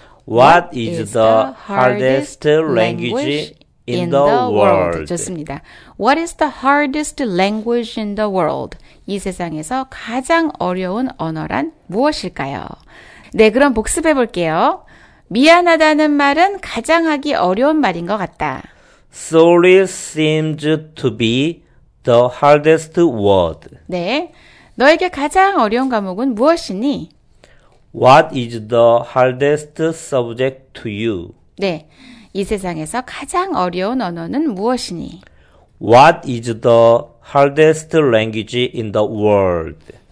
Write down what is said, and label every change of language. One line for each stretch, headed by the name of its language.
English: What is the hardest language in the world?
Korean: 좋습니다.
English: What is the hardest language in the world?
Korean: 이 세상에서 가장 어려운 언어란 무엇일까요? 네, 그럼 복습해 볼게요. 미안하다는 말은 가장 하기 어려운 말인 것 같다.
English: Sorry seems to be the hardest word.
Korean: 네. 너에게 가장 어려운 과목은 무엇이니?
English: What is the hardest subject to you?
Korean: 네. 이 세상에서 가장 어려운 언어는 무엇이니?
English: What is the hardest language in the world?